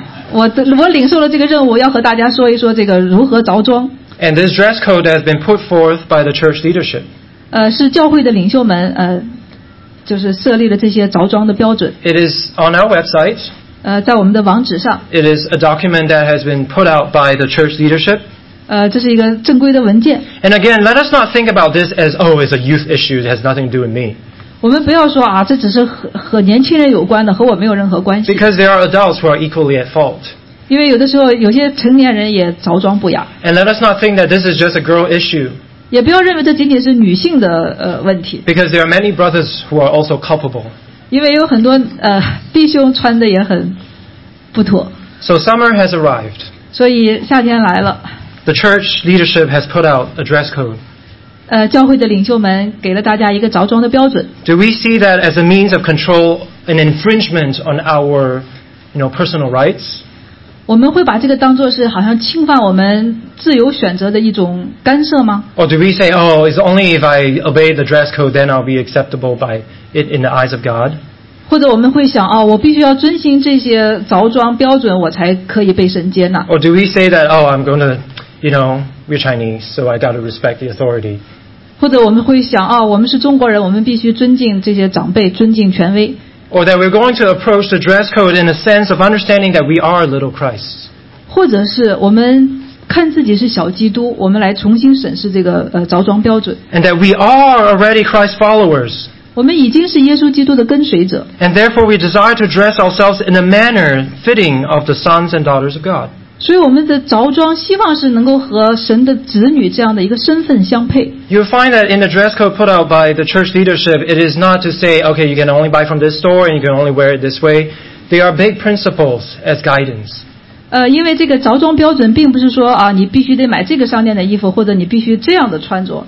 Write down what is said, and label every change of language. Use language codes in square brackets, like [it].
[zh] 我领受了这个任务，要和大家说一说这个如何着装。 [en] And this dress code has been put forth by the church leadership. [zh] 是教会的领袖们就是设立了这些着装的标准。 [en] It is on our website. [zh] 在我们的网址上。 [en] It is a document that has been put out by the church leadership. [zh] 这是一个正规的文件。 [en] And again, let us not think about this as, oh, it's a youth issue, it has nothing to do with me. [zh] 我们不要说啊，这只是 和年轻人有关的，和我没有任何关系。 [en] Because there are adults who are equally at fault. [zh] 因为有的时候有些成年人也着装不雅。 [en] And let us not think that this is just a girl issue. [zh] 也不要认为这仅仅是女性的问题。 [en] Because there are many brothers who are also culpable. [zh] 因为有很多弟兄穿的也很不妥。 [en] So summer has arrived. [zh] 所以夏天来了。 [en] The church leadership has put out a dress code. [zh] 教会的领袖们给了大家一个着装的标准。 [en] Do we see that as a means of control an infringement on our, you know, personal rights? [zh] 我们会把这个当作是好像侵犯我们自由选择的一种干涉吗？ [en] Or do we say, oh, it's only if I obey the dress code, then I'll be acceptable by it in the eyes of God? [zh] 或者我们会想、哦、我必须要遵循这些着装标准我才可以被神接纳。 [en] Or do we say that, oh, I'm going to, you know, we're Chinese, so I got to respect the authority. [zh] 或者我们会想、哦、我们是中国人我们必须尊敬这些长辈尊敬权威。 [en] Or that we're going to approach the dress code in a sense of understanding that we are little Christ. [zh] 或者是我们看自己是小基督我们来重新审视这个、着装标准。 [en] And that we are already Christ followers. [zh] 我们已经是耶稣基督的跟随者。 [en] And therefore we desire to dress ourselves in a manner fitting of the sons and daughters of God. [zh] 所以我们的着装希望是能够和神的子女这样的一个身份相配。 [en] You'll find that in the dress code put out by the church leadership, it is not to say, okay, you can only buy from this store and you can only wear it this way. They are big principles as guidance. [zh] 因为这个着装标准并不是说、啊、你必须得买这个商店的衣服或者你必须这样的穿着。